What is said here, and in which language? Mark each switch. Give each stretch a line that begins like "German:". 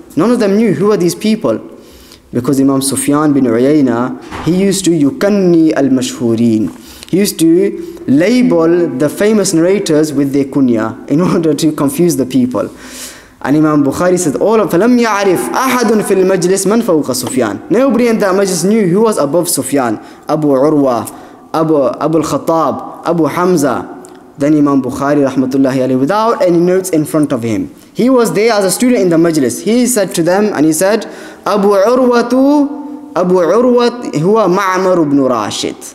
English: None of them knew who are these people, because Imam Sufyan bin Uyayna, he used to yukanni al-mashhurin. He used to label the famous narrators with their kunya in order to confuse the people. And Imam Bukhari said, all of
Arabic: فَلَمْ يَعْرِفْ أَحَدٌ فِي الْمَجْلِسِ مَنْ فَوْقَ سُفْيَانِ.
English: Nobody in that majlis knew who was above Sufyan. Abu Urwa, Abu al-Khattab, Abu Hamza. Then Imam Bukhari, rahmatullahi alayhi, without any notes in front of him. He was there as a student in the majlis. He said to them, and he said, Abu Urwa, huwa Ma'mar ibn Rashid.